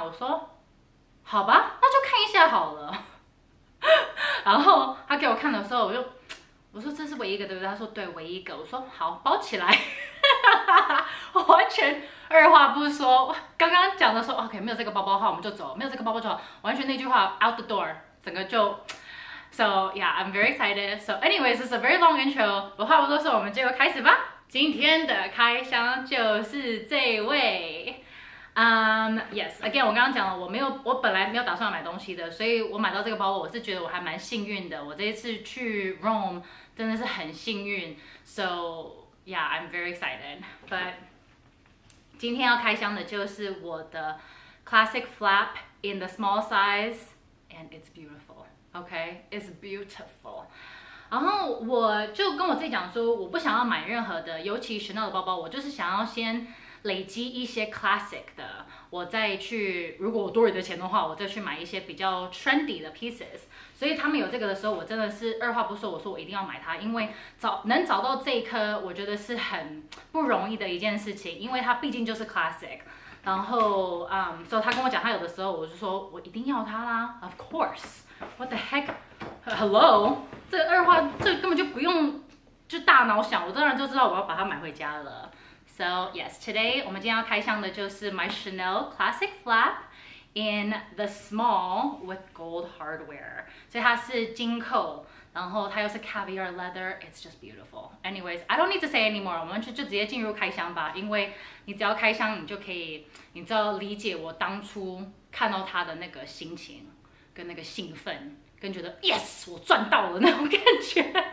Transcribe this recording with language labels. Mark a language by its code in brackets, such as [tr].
[zh] 我说好吧，那就看一下好了。然后他给我看的时候，我说这是唯一一个，对不对？他说对，唯一一个。我说好，包起来。我完全二话不说，刚刚讲的说 OK， 没有这个包包的话我们就走，没有这个包包就好，完全那句话 [en] out the door， [zh] 整个就 [en] so yeah， I'm very excited. So anyways， this is a very long intro， [zh] 不话不多说，我们就开始吧。今天的开箱就是这位。 Yes, again, 我刚刚讲了我本来没有打算买东西的，所以我买到这个包包我是觉得我还蛮幸运的，我这一次去 Rome 真的是很幸运。 [en] So yeah, I'm very excited. But [zh] 今天要开箱的就是我的 [en] classic flap in the small size, and it's beautiful. Okay, it's beautiful. [zh] 然后我就跟我自己讲说我不想要买任何的尤其 Chanel 的包包，我就是想要先累积一些 classic 的，我再去，如果我多余的钱的话，我再去买一些比较 trendy 的 pieces。所以他们有这个的时候，我真的是二话不说，我说我一定要买它，因为能找到这一颗我觉得是很不容易的一件事情，因为它毕竟就是 classic。然后所以他跟我讲他有的时候，我就说我一定要它啦， [en] of course， what the heck， hello， [zh] 这二话这根本就不用就大脑想，我当然就知道我要把它买回家了。 [en] So yes, today [zh] 我们今天要开箱的就是 [en] my Chanel Classic Flap in the small with gold hardware. [zh] 所以它是金扣，然后它又是 caviar leather. [en] It's just beautiful. Anyways, I don't need to say anymore. [zh] 我们就直接进入开箱吧，因为你只要开箱，你就可以，你知道理解我当初看到它的那个心情跟那个兴奋，跟觉得 yes 我赚到了那种感觉。